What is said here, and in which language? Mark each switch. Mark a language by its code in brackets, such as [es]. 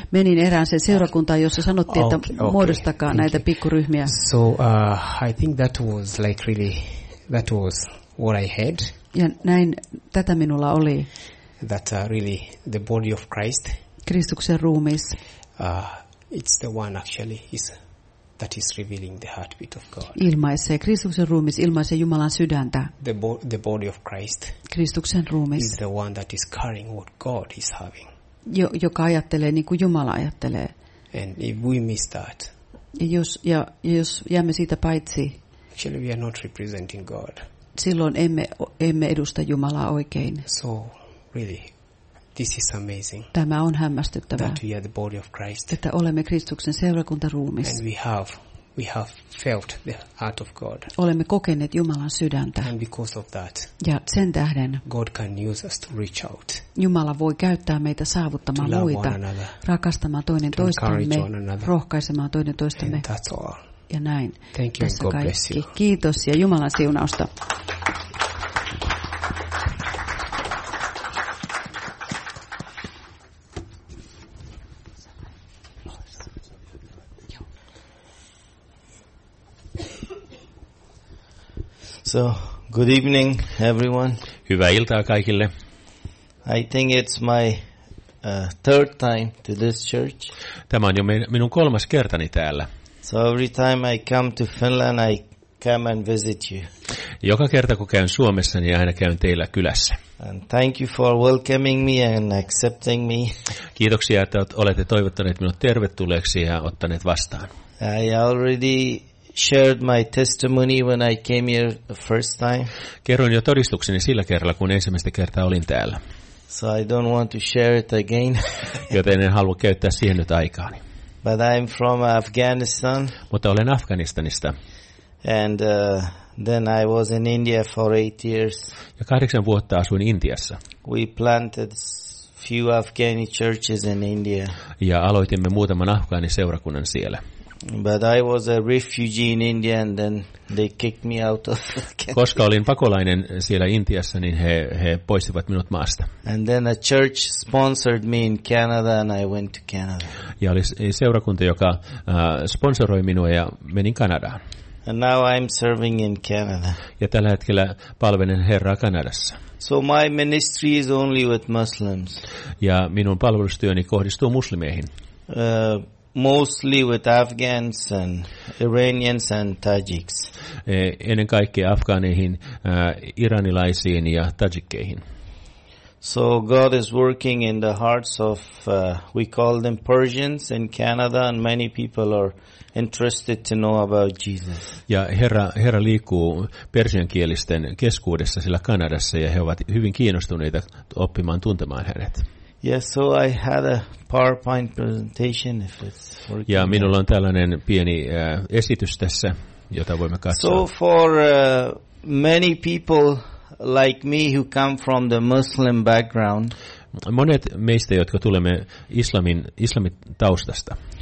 [fi] Menin erään sen seurakuntaan, jossa sanottiin, että muodostakaa näitä pikkuryhmiä. [en] So I think that was like really, that was what I had. [fi] Ja näin tätä minulla oli. [en] That really the body of Christ. [fi] Kristuksen ruumis. [en] It's the one actually is that is revealing the heartbeat of God. [fi] Ilmaisee Kristuksen ruumis, ilmaisee Jumalan sydäntä. [en] The body of Christ. [fi] Kristuksen ruumis. [en] Is the one that is carrying what God is having. [fi] Joka ajattelee niin kuin Jumala ajattelee. [en] And if we miss that, [fi] jos jäämme siitä paitsi, [en] actually we are not representing God. [fi] Silloin emme edusta Jumalaa oikein. [en] So, really, this is amazing. [fi] Tämä on hämmästyttävää. [en] That we are the body of Christ. [fi] Että olemme Kristuksen seurakuntaruumis. [en] And we have felt the heart of God. [fi] Olemme kokeneet Jumalan sydäntä. [en] And because of that. [fi] Ja sen tähden. [en] God can use us to reach out. [fi] Jumala voi käyttää meitä saavuttamaan muita. [en] Another, [fi] rakastamaan toinen [en] to [fi] toistamme. Rohkaisemaan toinen toistamme. [en] And that's all. [fi] Ja näin. [en] Thank you [fi] tässä [en] and God [fi] kaikki. [en] Bless you. [fi] Kiitos ja Jumalan siunausta. [en] So, good evening, everyone. [fi] Hyvää iltaa kaikille. [en] I think it's my third time to this church. [fi] Tämä on jo minun kolmas kertani täällä. [en] So every time I come to Finland, I come and visit you. [fi] Joka kerta kun käyn Suomessa, niin aina käyn teillä kylässä. [en] And thank you for welcoming me and accepting me. [fi] Kiitoksia, että olette toivottaneet minut tervetulleeksi ja ottaneet vastaan. [en] I already shared my testimony when I came here the first time. [fi] Kerron jo todistukseni sillä kerralla, kun ensimmäistä kertaa olin täällä. [en] So I don't want to share it again. [fi] Joten en halua käyttää siihen nyt aikaani. [en] But I'm from Afghanistan. [fi] Mutta olen Afganistanista. [en] And then I was in India for 8 years. [fi] Ja 8 vuotta asuin Intiassa. [en] We planted few Afghani churches in India. [fi] Ja aloitimme muutaman afgaaniseurakunnan siellä. [en] But I was a refugee in India and then they kicked me out of Afghanistan. [fi] Koska olin pakolainen siellä Intiassa, niin he poistivat minut maasta. [en] And then a church sponsored me in Canada and I went to Canada. [fi] Ja oli seurakunta, joka sponsoroi minua ja menin Kanadaan. [en] And now I'm serving in Canada. [fi] Ja tällä hetkellä palvelen Herraa Kanadassa. [en] So my ministry is only with Muslims. [fi] Ja minun palvelustyöni kohdistuu muslimeihin. [en] Mostly with Afghans and Iranians and Tajiks. [fi] Ennen kaikkea afgaaneihin, iranilaisiin ja tajikkeihin. [en] So God is working in the hearts of we call them Persians in Canada, and many people are interested to know about Jesus. [fi] Ja Herra liikkuu persiankielisten keskuudessa sillä Kanadassa, ja he ovat hyvin kiinnostuneita oppimaan tuntemaan hänet. [en] Yes, so I had a PowerPoint presentation if it's working. [fi] Ja minulla on tällainen pieni esitys tässä, jota voimme katsoa. [en] So for many people like me who come from the Muslim background. [fi] Monet meistä, jotka tulemme islamin taustasta.